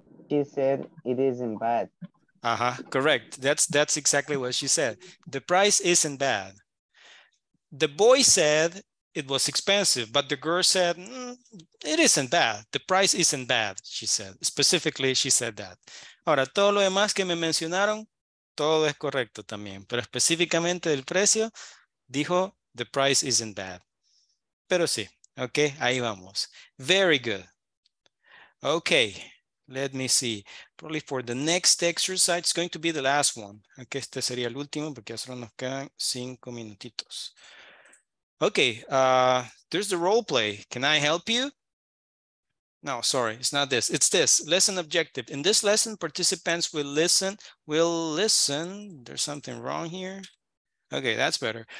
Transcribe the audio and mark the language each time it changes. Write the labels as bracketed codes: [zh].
[en] She said it isn't bad. Uh-huh. Correct. That's exactly what she said. The price isn't bad. The boy said it was expensive, but the girl said, it isn't bad. The price isn't bad, she said. Specifically, she said that. [es] Ahora, todo lo demás que me mencionaron, todo es correcto también. Pero específicamente del precio, dijo, [en] the price isn't bad. [es] Pero sí, okay, ahí vamos. [en] Very good. [es] Okay, [en] Let me see. Probably for the next exercise, it's going to be the last one. [es] Aquí este sería el último porque ya solo nos quedan cinco minutitos. [en] Okay, there's the role play. Can I help you? No, sorry, it's not this. It's this, lesson objective. In this lesson, participants will listen. There's something wrong here. Okay, that's better.